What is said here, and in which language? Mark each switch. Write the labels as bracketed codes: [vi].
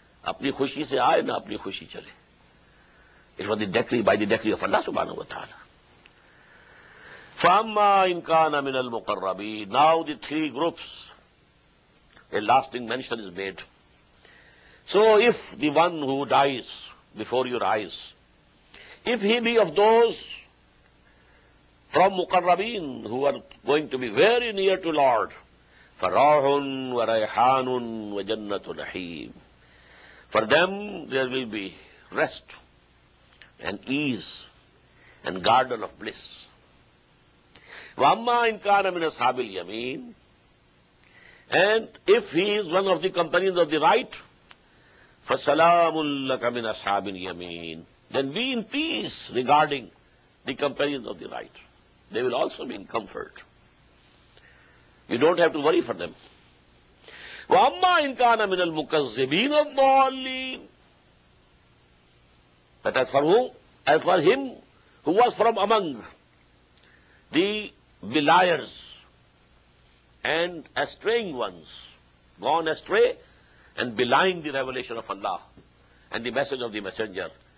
[ur] اپنی خوشی سے آئے نہ اپنی خوشی چلے. [en] It was the decree by the decree of Allah subhanahu wa ta'ala. [ar] فَأَمَّا إِن كَانَ مِنَ الْمُقَرَّبِينَ. [en] Now the three groups, a lasting mention is made. So if the one who dies before your eyes, if he be of those from مقربين who are going to be very near to Lord, [ar] فَرَاحٌ وَرَيْحَانٌ وَجَنَّةُ نَحِيمٌ. [en] For them there will be rest and ease and garden of bliss. [ar] وَأَمَّا إِنْ كَانَ مِنَ أَصْحَابِ الْيَمِينَ. [en] And if he is one of the companions of the right, [ar] فَسَلَامٌ لَكَ مِنَ أَصْحَابِ الْيَمِينَ. [en] Then be in peace regarding the companions of the right. They will also be in comfort. You don't have to worry for them. [ar] وأما إن كان من المكذبين الضالين. [en] But as for whom? As for him who was from among the liars and astraying ones, gone astray and belying the revelation of Allah and the message of the Messenger.